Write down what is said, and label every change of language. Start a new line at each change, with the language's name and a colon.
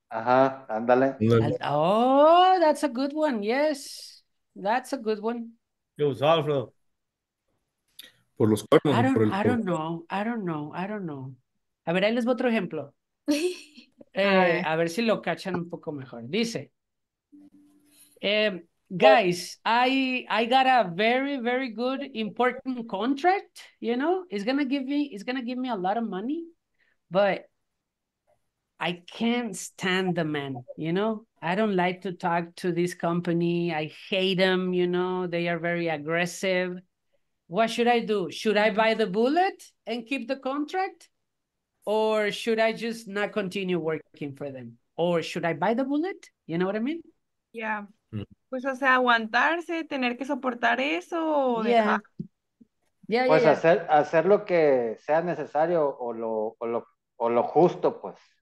Spanish: Ajá, ándale.
English: Oh, that's a good one, yes. That's a good one.
Spanish: Yo, Alfredo. Por los cuernos.
English: I don't know.
Spanish: A ver, ahí les voy otro ejemplo. A ver si lo cachan un poco mejor.
English: Dice, guys, I got a very, very good important contract, you know? It's gonna give me a lot of money, but I can't stand the man, you know? I don't like to talk to this company. I hate them, you know? They are very aggressive. What should I do? Should I buy the bullet and keep the contract? Or should I just not continue working for them? Or should I buy the bullet? You know what I mean? Yeah.
Spanish: Pues, o sea, aguantarse, tener que soportar eso. Pues hacer lo que sea necesario o lo justo, pues.